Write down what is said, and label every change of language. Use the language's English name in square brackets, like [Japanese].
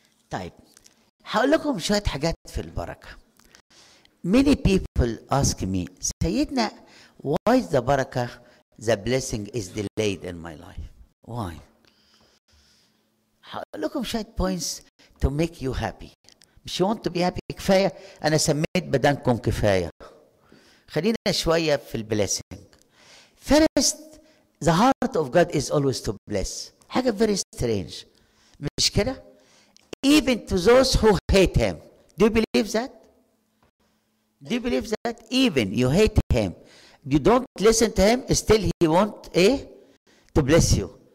[Arabic] طيب هقول لكم شوية حاجات في البركة. [English] Many people ask me, سيدنا, why is the baraka, the blessing is delayed in my life? Why? [Arabic] هقول لكم شوية [English] points to make you happy. [Arabic] مش [English] you want to be happy, [Arabic] كفاية أنا سميت بدنكم كفاية. خلينا شوية في الـ blessing. [English] First, the heart of God is always to bless. حاجة very strange. [Arabic] مش كده؟ [English] Even to those who hate him. Do you believe that? Do you believe that? Even you hate him, you don't listen to him, still he wants to bless you.